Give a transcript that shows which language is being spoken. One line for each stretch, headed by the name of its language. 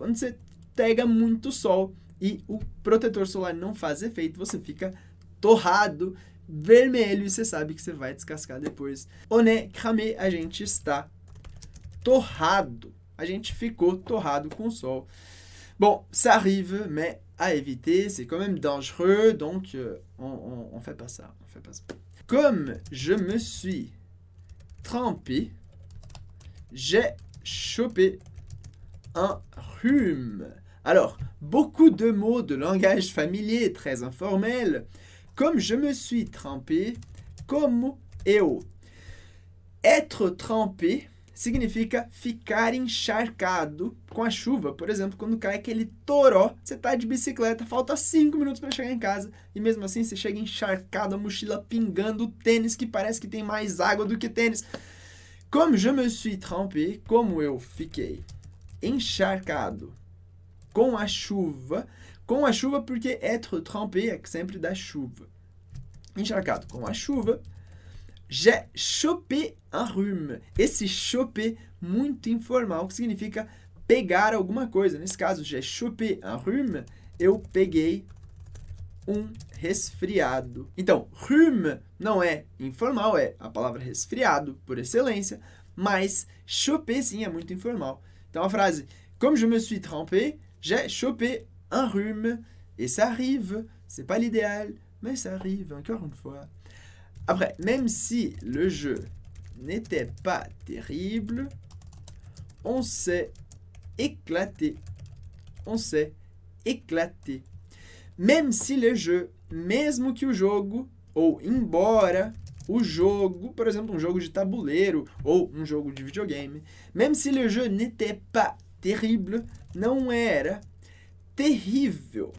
Portuguese: Quando você pega muito sol e o protetor solar não faz efeito, você fica torrado, vermelho, e você sabe que você vai descascar depois.
French: On est cramé,
Portuguese: a gente está torrado. A gente ficou torrado com o sol.
French: Bon, ça arrive, mais à éviter, c'est quand même dangereux, donc on fait pas ça, on fait pas ça. Comme je me suis trempé, j'ai chopé un rhume. Alors, beaucoup de mots de langage familier, très informel. Comme je me suis trempé,
Portuguese: como eu.
French: Être trempé
Portuguese: significa ficar encharcado com a chuva. Por exemplo, quando cai aquele toró, você tá de bicicleta, falta 5 minutos para chegar em casa, e mesmo assim você chega encharcado, a mochila pingando, o tênis que parece que tem mais água do que tênis.
French: Comme je me suis trempé,
Portuguese: como eu fiquei encharcado com a chuva. Com a chuva, porque
French: être trempé
Portuguese: é sempre da chuva. Encharcado com a chuva.
French: J'ai chopé un rhume.
Portuguese: Esse chopé muito informal, que significa pegar alguma coisa. Nesse caso,
French: j'ai chopé un rhume.
Portuguese: Eu peguei um resfriado. Então, rhume não é informal, é a palavra resfriado por excelência, mas chopé sim é muito informal. Então, a frase,
French: comme je me suis trempé, j'ai chopé un rhume. Et ça arrive, c'est pas l'idéal, mais ça arrive, encore une fois. Après, même si le jeu n'était pas terrible, on s'est éclaté. On s'est éclaté. Même si le jeu,
Portuguese: mesmo que o jogo, ou embora o jogo, por exemplo, um jogo de tabuleiro ou um jogo de videogame,
French: même si le jeu n'était pas terrible,
Portuguese: não era terrível.